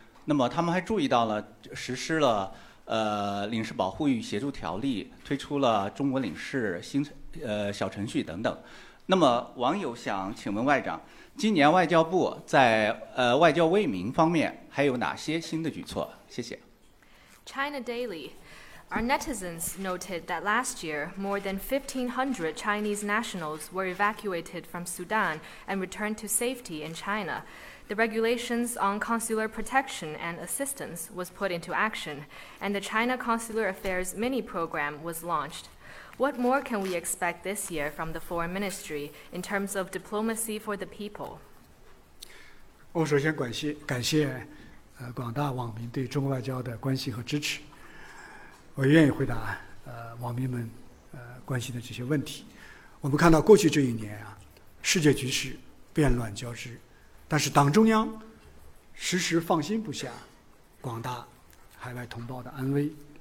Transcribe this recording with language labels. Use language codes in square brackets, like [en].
[zh] 那么他们还注意到了实施了领事保护与协助条例，推出了中国领事新小程序等等。那么网友想请问外长，今年外交部在外交卫民方面还有哪些新的举措？谢谢。 [en] China Daily. Our netizens noted that last year more than 1500 Chinese nationals were evacuated from Sudan and returned to safety in China. The regulations on consular protection and assistance was put into action, and the China Consular Affairs mini program was launched. What more can we expect this year from the Foreign Ministry in terms of diplomacy for the people? [zh] 我首先感谢广大网民对中国外交的关心和支持。我愿意回答网民们关心的这些问题。我们看到过去这一年啊，世界局势变乱交织，但是党中央时时放心不下广大海外同胞的安危。